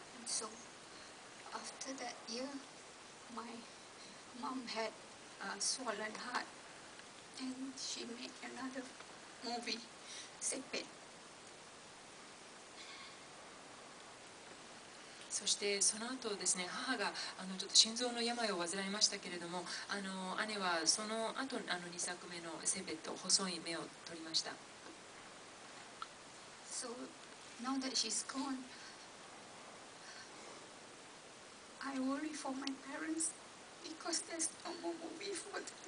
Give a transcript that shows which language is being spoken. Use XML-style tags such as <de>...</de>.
<en>So after that year myMom had a swollen heart, and she made another movie, Sick Bed.</en> <ja>そしてその後ですね、母がちょっと心臓の病を患いましたけれども、姉はその後2作目のセベット細い目を取りました。</ja> <en>So now that she's gone, I worry for my parents because there's no more movie for them.</en>